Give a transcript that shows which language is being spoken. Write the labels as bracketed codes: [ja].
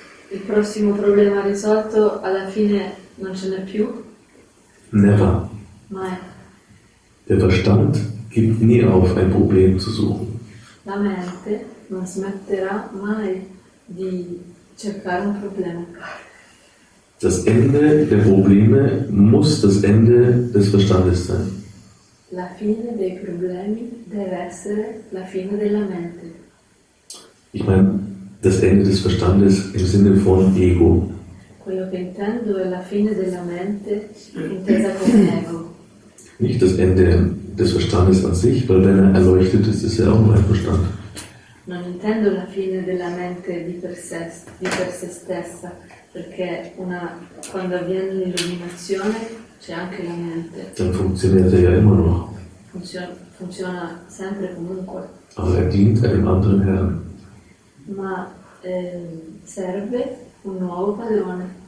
[it] il prossimo problema risolto, alla fine non ce n'è più? [en] Never. [it] Mai. [de] Der Verstand gibt nie auf, ein Problem zu suchen. [it] La mente non smetterà mai di cercare un problema. [de] Das Ende der Probleme muss das Ende des Verstandes sein. [it] La fine dei problemi deve essere la fine della mente. [de] Ich meine, das Ende des Verstandes im Sinne von Ego. [it] Quello che intendo è la fine della mente intesa come ego. [de] Nicht das Ende des Verstandes an sich, weil wenn er erleuchtet ist, ist er auch nur ein Verstand. [it] Non intendo la fine della mente di per sé stessa, perché quando avviene l'illuminazione c'è anche la mente. [de] Dann funktioniert er ja immer noch. [it] Funziona sempre comunque. [de] Aber er dient einem anderen Herrn. [it] Ma serve un nuovo padrone.